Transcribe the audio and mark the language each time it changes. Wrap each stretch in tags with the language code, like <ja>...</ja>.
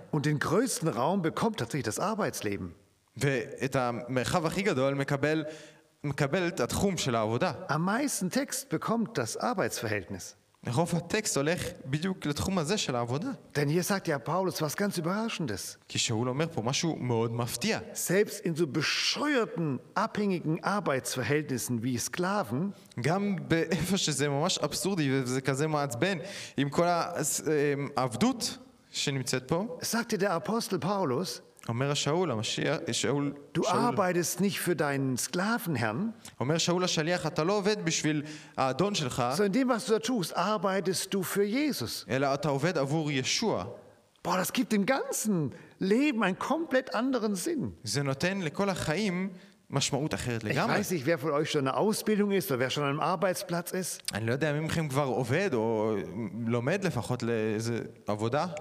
<de>Und den größten Raum bekommt tatsächlich das Arbeitsleben.</de> <he>ואת המרחב הכי גדול מקבלת התחום של העבודה.</he> <de>Am meisten Text bekommt das Arbeitsverhältnis.</de> <he>רוב הטקסט הולך בדיוק לתחום הזה של העבודה.</he> <de>Denn hier sagt ja Paulus was ganz überraschendes.</de> <he>כי שאול אומר פה משהו מאוד מפתיע.</he> <de>Selbst in so bescheuerten, abhängigen Arbeitsverhältnissen wie Sklaven,</de> <he>גם באיפה שזה ממש אבסורדי וזה כזה מעצבן, עם כל העבדות שנמצאת פה,</he> <de>sagt der Apostel Paulus,</de> <he>אומר השאול,</he> <de>du arbeitest nicht für deinen Sklavenherrn.</de> <he>אומר שאול השליח, אתה לא עובד בשביל האדון שלך.</he> <de>So in dem, was du tust, arbeitest du für Jesus.</de> <he>אלא אתה עובד עבור ישוע.</he> <de>Boah, das gibt dem ganzen Leben einen komplett anderen Sinn.</de> <he>זה נותן לכל החיים משמעות אחרת לגמרי.</he> <de>Ich weiß nicht, wer von euch schon eine Ausbildung ist oder wer schon an einem Arbeitsplatz ist.</de> <he>אני לא יודע מי מכם כבר עובד או לומד לפחות לאיזה עבודה.</he>